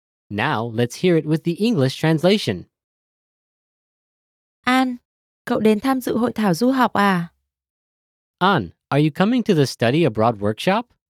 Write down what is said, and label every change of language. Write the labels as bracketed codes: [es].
[en] Now, let's hear it with the English translation. [vi] An, cậu đến tham dự hội thảo du học à? [en] An, are you coming to the study abroad workshop?